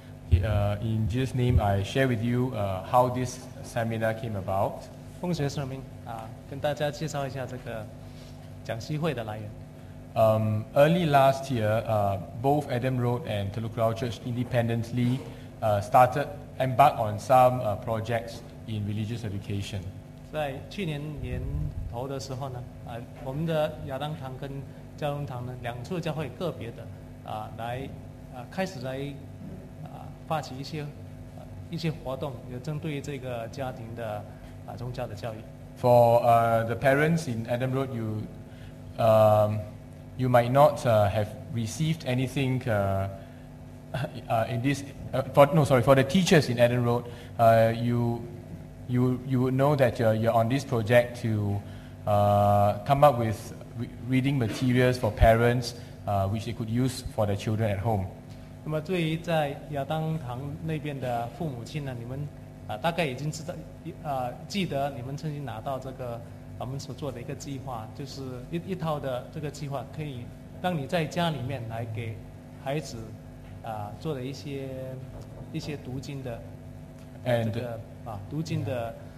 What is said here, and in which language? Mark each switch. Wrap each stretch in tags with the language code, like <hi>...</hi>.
<en>In Jesus' name, I share with you how this seminar came about.</en> <zh>奉学圣名跟大家介绍一下这个讲习会的来源。</zh> <en>Early last year, both Adam Road and Telok Kurau Church independently embarked on some projects in religious education.</en> <zh>在去年年头的时候呢，我们的亚当堂跟嘉隆堂呢，两处教会个别的开始来。发起一些活动，有针对这个家庭的宗教的教育。</zh> <en>For the parents in Adam Road, you might not have received anything in this. For the teachers in Adam Road, you would know that you're on this project to come up with reading materials for parents which they could use for the children at home.</en> <zh>那么对于在亚当堂那边的父母亲呢，你们大概已经知道，记得你们曾经拿到这个我们所做的一个计划，就是一套的这个计划，可以让你在家里面来给孩子做的一些读经的这个读经的。</zh>